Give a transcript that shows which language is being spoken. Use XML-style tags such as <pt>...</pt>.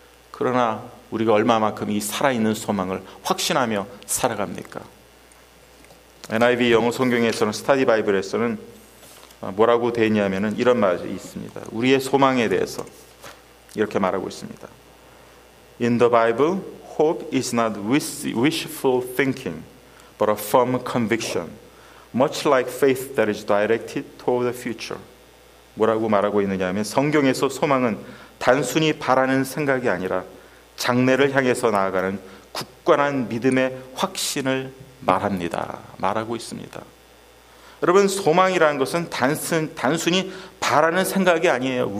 <ko>그러나 우리가 얼마만큼 이 살아있는 소망을 확신하며 살아갑니까? NIV 영어성경에서는, 스타디 바이블에서는 뭐라고 되어 있냐면 이런 말이 있습니다. 우리의 소망에 대해서 이렇게 말하고 있습니다.</ko> <en>In the Bible, hope is not wishful thinking, but a firm conviction, much like faith that is directed toward the future.</en> <ko>뭐라고 말하고 있느냐 하면 성경에서 소망은 단순히 바라는 생각이 아니라 장래를 향해서 나아가는 굳건한 믿음의 확신을 말합니다. 말하고 있습니다. 여러분, 소망이라는 것은 단순히 바라는 생각이 아니에요.</ko>